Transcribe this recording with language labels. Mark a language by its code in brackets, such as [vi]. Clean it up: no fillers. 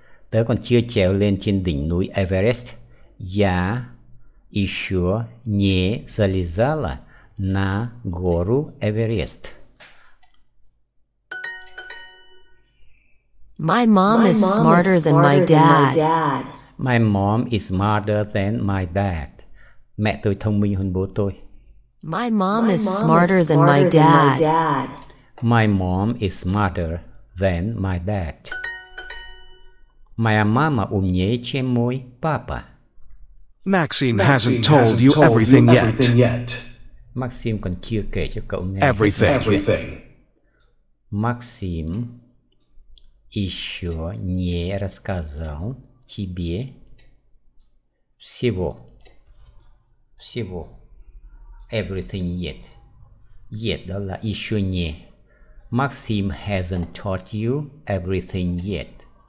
[vi] Tớ còn chưa trèo lên trên đỉnh núi Everest. [ru] Я еще не залезала на гору Эверест. [en] My mom is smarter than my dad. My mom is smarter than my dad. [vi] Mẹ tôi thông minh hơn bố tôi. [en] My mom is smarter than my dad. My mom is smarter than my dad. [ru] Моя мама умнее, чем мой папа. [en] Maxime hasn't told you everything yet. [vi] Maxime còn chưa kể cho cậu nghe. [en] Everything. [ru] Maxime еще не рассказал тебе всего. Всего. [en] Everything yet. Yet, [vi] đó là [ru] еще не. [en] Maxime hasn't taught you everything yet.